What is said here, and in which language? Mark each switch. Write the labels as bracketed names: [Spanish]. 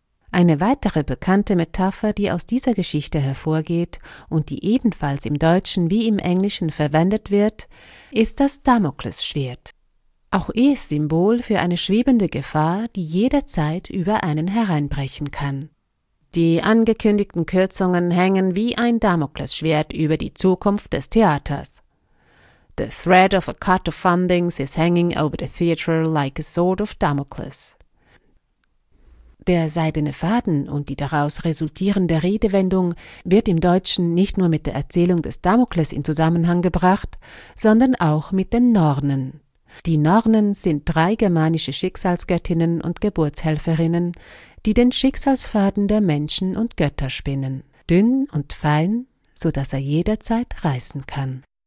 [German] Eine weitere bekannte Metapher, die aus dieser Geschichte hervorgeht und die ebenfalls im Deutschen wie im Englischen verwendet wird, ist das Damoklesschwert. Auch es Symbol für eine schwebende Gefahr, die jederzeit über einen hereinbrechen kann. Die angekündigten Kürzungen hängen wie ein Damoklesschwert über die Zukunft des Theaters. [English] The thread of a cut of fundings is hanging over the theater like a sword of Damocles. [German] Der seidene Faden und die daraus resultierende Redewendung wird im Deutschen nicht nur mit der Erzählung des Damokles in Zusammenhang gebracht, sondern auch mit den Nornen. Die Nornen sind 3 germanische Schicksalsgöttinnen und Geburtshelferinnen, die den Schicksalsfaden der Menschen und Götter spinnen, dünn und fein, so dass er jederzeit reißen kann.